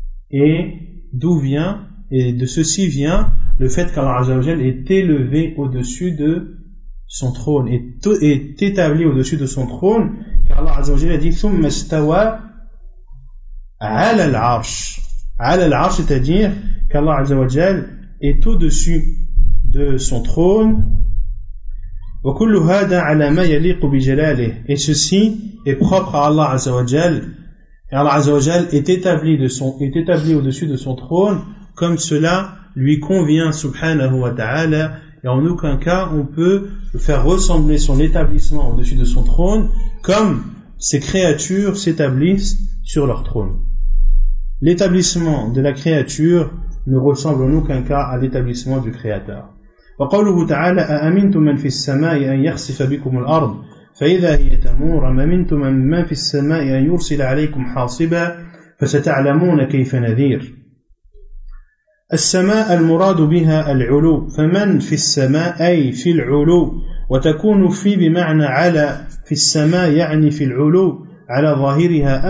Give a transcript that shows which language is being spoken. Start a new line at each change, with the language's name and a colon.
French: Et d'où vient, et de ceci vient, le fait qu'Allah Azza wa Jal est élevé au-dessus de son trône est établi au-dessus de son trône, car Allah Azza wa Jalla a dit
Arabic: ثم استوى على العرش. على العرش,
French: c'est-à-dire qu'Allah Azza wa Jalla est au-dessus de son trône.
Arabic: وكل هذا على ما يليق بجلاله.
French: Et ceci est propre à Allah Azza wa Jalla. Et Allah Azza wa Jalla est établi au-dessus de son trône comme cela lui convient, subhanahu wa ta'ala. Et en aucun cas on peut faire ressembler son établissement au-dessus de son trône comme ses créatures s'établissent sur leur trône. L'établissement de la créature ne ressemble en aucun cas à l'établissement du Créateur.
Arabic: وقوله تعالى أأمنتم من في السماء أن يخسف بكم الأرض فإذا هي تمور أم أمنتم من في السماء أن يرسل عليكم حاصبا فستعلمون كيف نذير. السماء المراد بها العلو, فمن في السماء أي في العلو, وتكون في بمعنى على, في السماء يعني في العلو على ظاهرها.